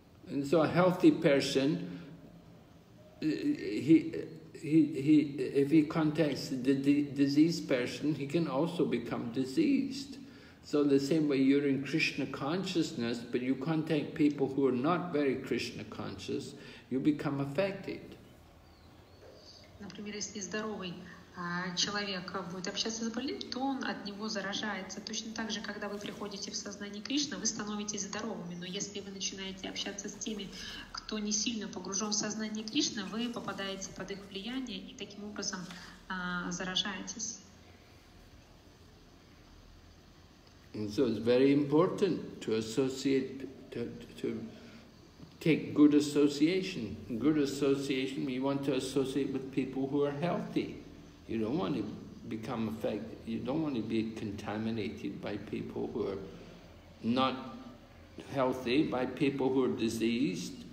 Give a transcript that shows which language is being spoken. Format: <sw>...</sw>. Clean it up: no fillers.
<en>And so a healthy person, if he contacts the diseased person, he can also become diseased. So the same way you're in Krishna consciousness, but you contact people who are not very Krishna conscious, you become affected.</en> <ru>Например, если здоровый человек будет общаться с больным, то он от него заражается. Точно так же, когда вы приходите в сознание Кришны, вы становитесь здоровыми. Но если вы начинаете общаться с теми, кто не сильно погружен в сознание Кришны, вы попадаете под их влияние и таким образом заражаетесь.</ru> <en>So it's very important to associate, to take good association. Good association, we want to associate with people who are healthy. You don't want to become affected, you don't want to be contaminated by people who are not healthy, by people who are diseased.</en>